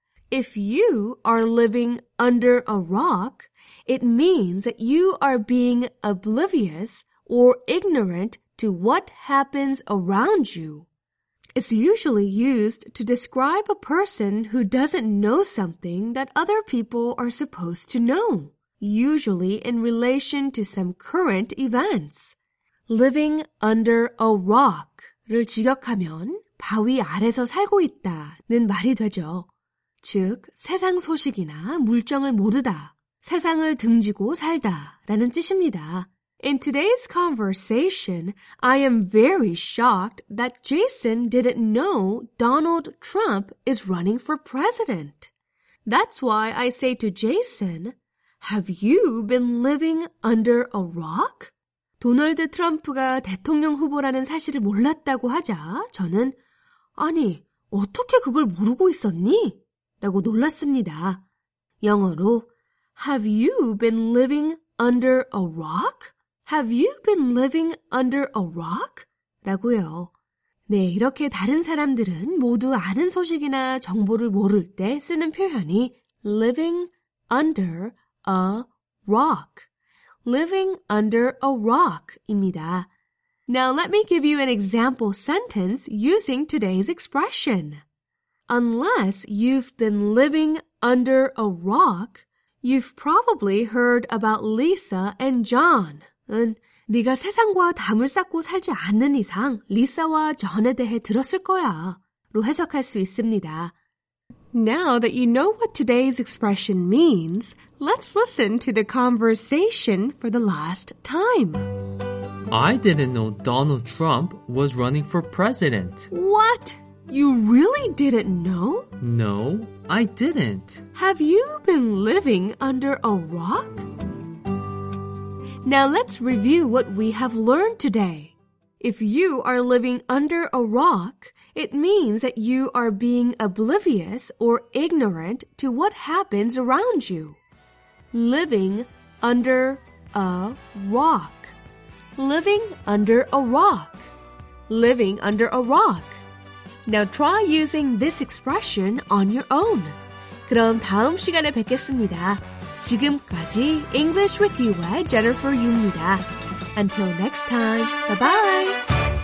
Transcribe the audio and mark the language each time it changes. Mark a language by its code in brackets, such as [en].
[en] If you are living under a rock, it means that you are being oblivious or ignorant to what happens around you. It's usually used to describe a person who doesn't know something that other people are supposed to know, usually in relation to some current events. [ko] Living under a rock를 직역하면 바위 아래서 살고 있다는 말이 되죠. 즉, 세상 소식이나 물정을 모르다, 세상을 등지고 살다라는 뜻입니다. [en] In today's conversation, I am very shocked that Jason didn't know Donald Trump is running for president. That's why I say to Jason, Have you been living under a rock? [ko] 도널드 트럼프가 대통령 후보라는 사실을 몰랐다고 하자 저는 아니, 어떻게 그걸 모르고 있었니? 라고 놀랐습니다. 영어로 [en] Have you been living under a rock? Have you been living under a rock? [ko] 라고요. 네, 이렇게 다른 사람들은 모두 아는 소식이나 정보를 모를 때 쓰는 표현이 living under a rock. [en] Living under a rock입니다. Now let me give you an example sentence using today's expression. Unless you've been living under a rock, you've probably heard about Lisa and John. [ko] 네가 세상과 담을 쌓고 살지 않는 이상 리사와 존에 대해 들었을 거야 로 해석할 수 있습니다. [en] Now that you know what today's expression means, let's listen to the conversation for the last time. I didn't know Donald Trump was running for president. What? You really didn't know? No, I didn't. Have you been living under a rock? Now let's review what we have learned today. If you are living under a rock, it means that you are being oblivious or ignorant to what happens around you. Living under a rock. Living under a rock. Living under a rock. Now try using this expression on your own. [ko] 그럼 다음 시간에 뵙겠습니다. 지금까지 [en] English with You와 Jennifer Yu입니다. Until next time, bye-bye!